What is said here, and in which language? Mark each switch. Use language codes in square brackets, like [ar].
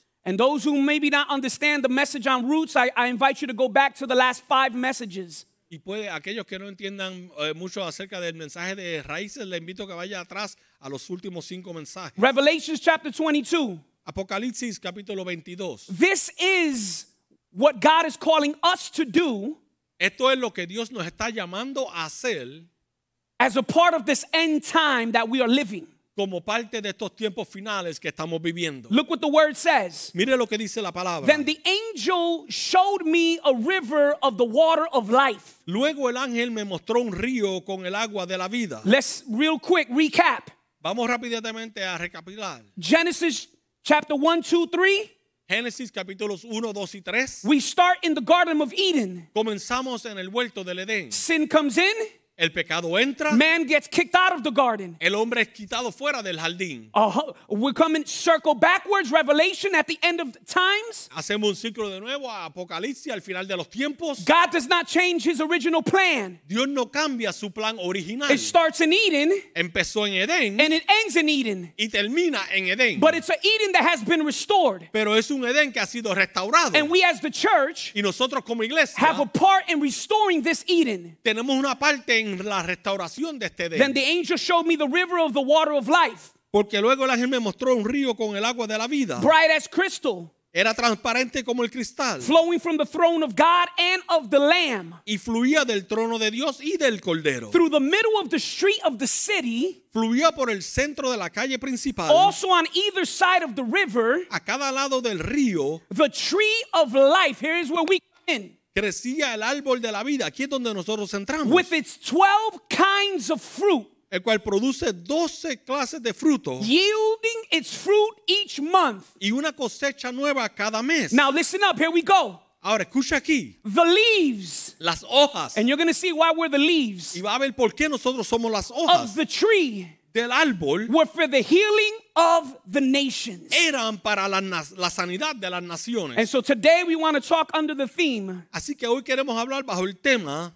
[en] And those who maybe not understand the message on roots, I invite you to go back to the last 5 messages. [es] Y puede, aquellos que no entiendan mucho acerca del mensaje de raíces, le invito a que vaya atrás a los últimos 5 mensajes. [en] Revelation chapter 22. [es] Apocalipsis capítulo 22. [en] This is what God is calling us to do. [es] Esto es lo que Dios nos está llamando a hacer. [en] As a part of this end time that we are living. [es] Como parte de estos tiempos finales que estamos viviendo. [en] Look what the word says. [es] Mire lo que dice la palabra. [en] Then the angel showed me a river of the water of life. [es] Luego el ángel me mostró un río con el agua de la vida. [en] Let's real quick recap. [es] Vamos rápidamente a recapitular. [en] Genesis chapter 1, 2, 3. [es] Génesis capítulos 1, 2 y 3. [en] We start in the Garden of Eden. [es] Comenzamos en el huerto del Edén. [en] Sin comes in. [es] El pecado entra. [en] Man gets kicked out of the garden. [es] El hombre es quitado fuera del jardín. [en] We're coming circle backwards, Revelation at the end of times. [es] Hacemos un ciclo de nuevo a Apocalipsis al final de los tiempos. [en] God does not change his original plan. [es] Dios no cambia su plan original. [en] It starts in Eden. [es] Empezó en Edén. [en] And it ends in Eden. [es] Y termina en Edén. [en] But it's an Eden that has been restored. [es] Pero es un Edén que ha sido restaurado. [en] And we as the church, [es] y nosotros como iglesia, [en] have a part in restoring this Eden. [es] Tenemos una parte en la restauración de este Edén. [en] Then the angel showed me the river of the water of life. [es] Porque luego el ángel me mostró un río con el agua de la vida. [en] Bright as crystal. [es] Era transparente como el cristal. [en] Flowing from the throne of God and of the Lamb. [es] Y fluía del trono de Dios y del Cordero. [en] Through the middle of the street of the city. [es] Fluía por el centro de la calle principal. [en] Also on either side of the river. [es] A cada lado del río. [en] The tree of life. Here is where we come in. [es] Crecía el árbol de la vida. Aquí es donde nosotros entramos. [en] With its 12 kinds of fruit. [es] El cual produce 12 clases de fruto. [en] Yielding its fruit each month. [es] Y una cosecha nueva cada mes. [en] Now listen up, here we go. [es] Ahora escucha aquí. [en] The leaves. [es] Las hojas. [en] And you're going to see why we're the leaves. [es] Y va a ver por qué nosotros somos las hojas. [en] Of the tree. [es] Del árbol. [en] Were for the healing of the nations. [es] Eran para la sanidad de las naciones. [en] And so today we want to talk under the theme. [es] Así que hoy queremos hablar bajo el tema.